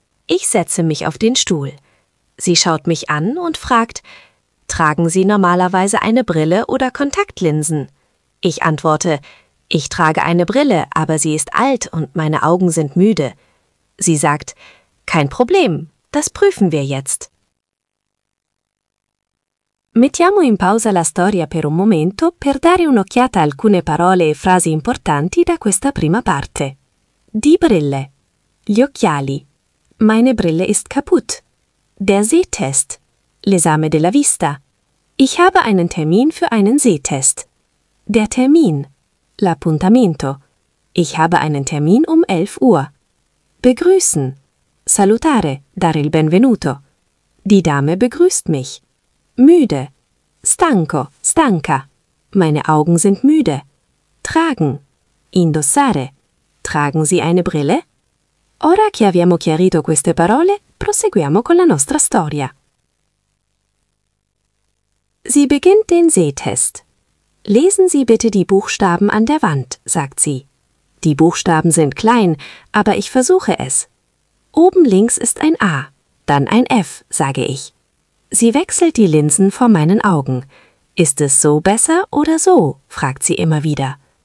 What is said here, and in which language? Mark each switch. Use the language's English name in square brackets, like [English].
[German] Ich setze mich auf den Stuhl. Sie schaut mich an und fragt: Tragen Sie normalerweise eine Brille oder Kontaktlinsen? Ich antworte: Ich trage eine Brille, aber sie ist alt und meine Augen sind müde. Sie sagt: Kein Problem, das prüfen wir jetzt. [Italian] Mettiamo in pausa la storia per un momento per dare un'occhiata a alcune parole e frasi importanti da questa prima parte. [German] Die Brille. [Italian] Gli occhiali. [German] Meine Brille ist kaputt. Der Sehtest. [Italian] L'esame della vista. [German] Ich habe einen Termin für einen Sehtest. Der Termin. [Italian] L'appuntamento. [German] Ich habe einen Termin um 11 Uhr. Begrüßen. [Italian] Salutare, dare il benvenuto. [German] Die Dame begrüßt mich. Müde. [Italian] Stanco, stanca. [German] Meine Augen sind müde. Tragen. [Italian] Indossare. [German] Tragen Sie eine Brille? [Italian] Ora che abbiamo chiarito queste parole, proseguiamo con la nostra storia. [German] Sie beginnt den Sehtest. Lesen Sie bitte die Buchstaben an der Wand, sagt sie. Die Buchstaben sind klein, aber ich versuche es. Oben links ist ein A, dann ein F, sage ich. Sie wechselt die Linsen vor meinen Augen. Ist es so besser oder so, fragt sie immer wieder.